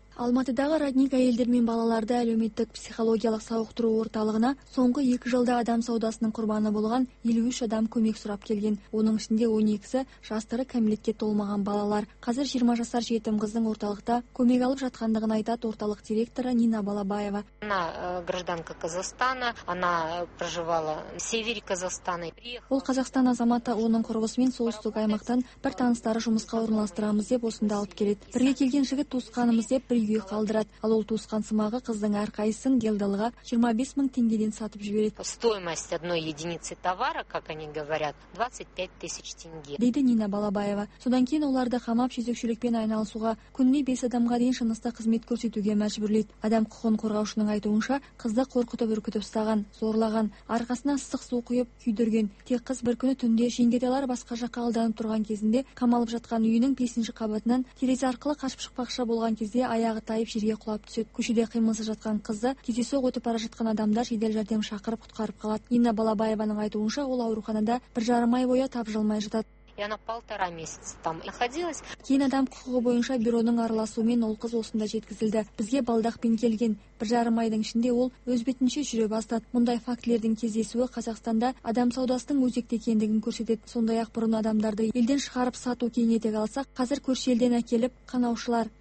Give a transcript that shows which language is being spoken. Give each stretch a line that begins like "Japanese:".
Kazakh: Алматыдағы родник әйелдер мен балаларды әлеуметтік психологиялық сауықтыру орталығына соңғы 2 жылда адам саудасының құрбаны болған 53 адам көмек сұрап келген. Оның ішінде 12-сі жастары кәмелетке толмаған балалар. Қазір 20 жасар жетім қыздың орталықта көмек алып жатқандығын айтады орталық директоры Нина Балабаева.
Russian: Она гражданка Казахстана, она проживала в севере Казахстана.
Kazakh: Ол Қазақстан азаматы, оның құрбысымен солтүстік аймақтан бір таныстары жұмысқа орналастырамыз деп осында алып келеді. Бірге келген жігіт туысқанымыз деп бір үй қалдырат. Ал ол туысқан сымағы қыздың әрқайсысын делдалға 25 000 теңгеден сатып жібереді.
Russian: Стоимость одной единицы товара, как они говорят, 25 000 теңге.
Kazakh: Дейді Нина Балабаева. Содан кейін оларды қамап жезекшілікпен айналысуға, күніне 5 адамға дейін шынысты қызмет көрсетуге мәжбүрлейді. Адам құқығын қорғаушының айтуынша, қызды қорқытып үркітіп ұстаған, зорлаған, арқасына ыстық су құйып күйдірген. Тек қыз бір күні түнде жеңгетелер басқа жаққа алданып тұрған кезінде қамалып жатқан үйінің 5-ші қабатынан терезе арқылы қашып шықпақша болған кезде аяғы тайып жерге құлап түседі. Көшеде қимылсыз жатқан қызды кездейсоқ өтіп бара жатқан адамдар жедел жәрдем шақырып құтқарып қалады. Нина Балабаеваның айтуынша, ол ауруханада 1,5 ай бойы тапжылмай жатады.
Russian: Яна полтора месяца там находилась.
Kazakh: Кейін адам құқығы бойынша бюроның араласуымен ол қыз осында жеткізілді. Бізге балдақпен келген. 1,5 айдың ішінде ол өз бетінше жүре бастады. Мұндай фактілердің кездесуі Қазақстанда адам саудасының өзекті екендігін көрсетеді. Сондай-ақ бұрын адамдарды елден шығарып сату кеңете қалсақ, қазір көрші елден әкеліп қанаушылар.